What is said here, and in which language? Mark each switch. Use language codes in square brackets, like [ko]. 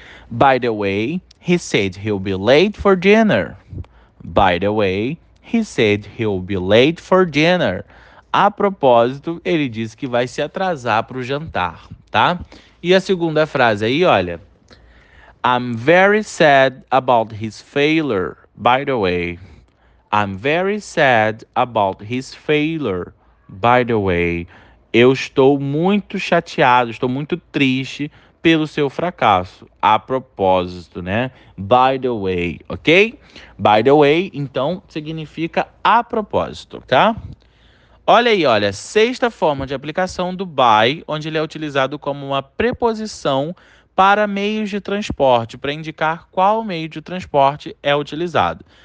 [en] By the way, he said he'll be late for dinner. By the way, he said he'll be late for dinner. [pt] A propósito, ele disse que vai se atrasar para o jantar, tá? E a segunda frase aí, olha. [en] I'm very sad about his failure, by the way. I'm very sad about his failure, by the way. [pt] Eu estou muito chateado, estou muito triste pelo seu fracasso. A propósito, né? [en] By the way, [pt] ok? [en] By the way, [pt] então, significa a propósito, tá? Olha aí, olha, sexta forma de aplicação do by, onde ele é utilizado como uma preposição para meios de transporte, para indicar qual meio de transporte é utilizado.